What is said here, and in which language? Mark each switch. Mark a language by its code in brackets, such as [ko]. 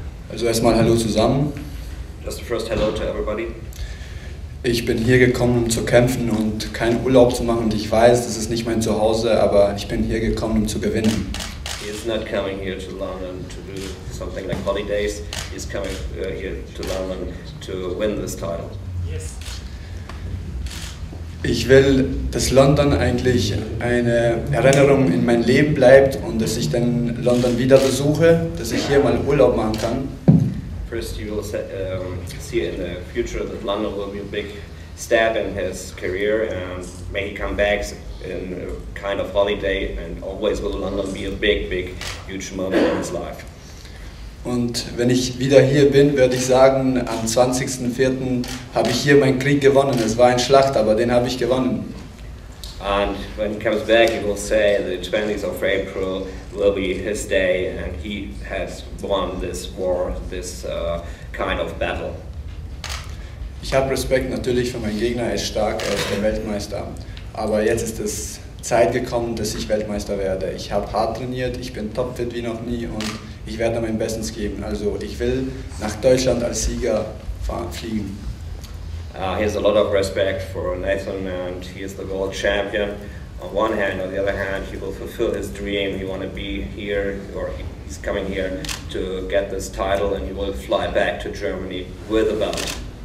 [de] Also erstmal hallo zusammen. [en] Just the first hello to everybody. [de] Ich bin hier gekommen, um zu kämpfen und keinen Urlaub zu machen. Und ich weiß, das ist nicht mein Zuhause, aber ich bin hier gekommen, um zu gewinnen. [en] He's not coming here to London to do something like holidays. He's coming here to London to win this title. Yes. [de] Ich will, dass London eigentlich eine Erinnerung in mein Leben bleibt und dass ich dann London wieder besuche, dass ich hier mal Urlaub machen kann. [en] First, you will see in the future that London will be a big step in his career, and may he come back in a kind of holiday, and always will London be a big, big, huge moment in his life. [de] Und wenn ich wieder hier bin, werde ich sagen, am 20.04. habe ich hier meinen Krieg gewonnen. Es war ein Schlacht, aber den habe ich gewonnen. [en] And when he comes back, he will say the 20th of April will be his day and he has won this war, this kind of battle. [de] Ich habe Respekt natürlich für meinen Gegner, er ist stark, er ist der Weltmeister. Aber jetzt ist es Zeit gekommen, dass ich Weltmeister werde. Ich habe hart trainiert, ich bin topfit wie noch nie und ich werde mein Bestes geben. Also ich will nach Deutschland als Sieger fliegen. [en] He has a lot of respect for Nathan and he is the world champion. On one hand, on the other hand, he will fulfill his dream. He want to be here, or he's coming here to get this title and he will fly back to Germany with a belt.